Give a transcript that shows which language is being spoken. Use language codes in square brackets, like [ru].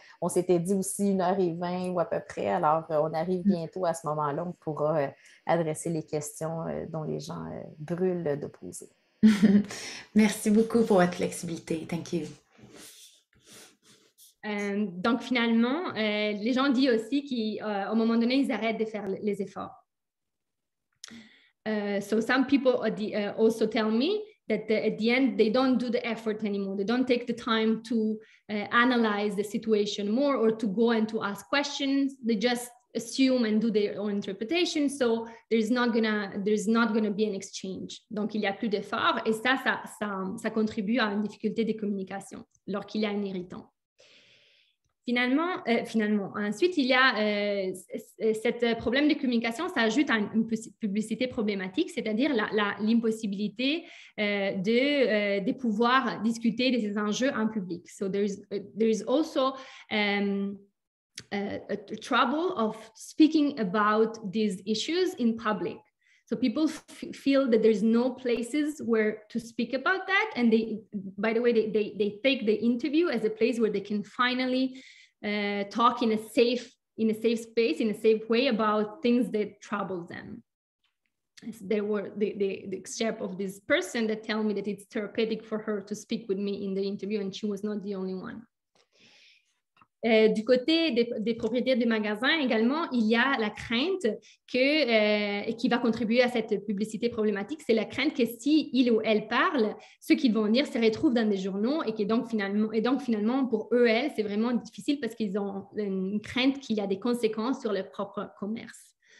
[fr] On s'était dit aussi 1h20 ou à peu près. Alors, on arrive bientôt à ce moment-là, on pourra adresser les questions dont les gens brûlent de poser. Merci beaucoup pour votre flexibilité. [en] Thank you. [fr] Donc, finalement, les gens disent aussi qu'au moment donné, ils arrêtent de faire les efforts. [en] So, some people also tell me that at the end, they don't do the effort anymore. They don't take the time to analyze the situation more or to go and to ask questions. They just assume and do their own interpretation. So there's not gonna be an exchange. [fr] Donc, il n'y a plus d'effort. Et ça contribue à une difficulté de communication lorsqu'il y a un irritant. Finalement, ensuite, il y a ce problème de communication, ça ajoute à une publicité problématique, c'est-à-dire l'impossibilité de pouvoir discuter des enjeux en public. [en] So there is also a trouble of speaking about these issues in public. So people feel that there's no places where to speak about that. And they take the interview as a place where they can finally talk in a safe space, in a safe way about things that trouble them. So there were the excerpt of this person that tell me that it's therapeutic for her to speak with me in the interview, and she was not the only one. [fr] Du côté des propriétaires des magasins également, il y a la crainte qui va contribuer à cette publicité problématique. C'est la crainte que si il ou elle parle, ce qu'ils vont dire se retrouve dans des journaux et donc finalement pour eux, elles, c'est vraiment difficile parce qu'ils ont une crainte qu'il y a des conséquences sur leur propre commerce.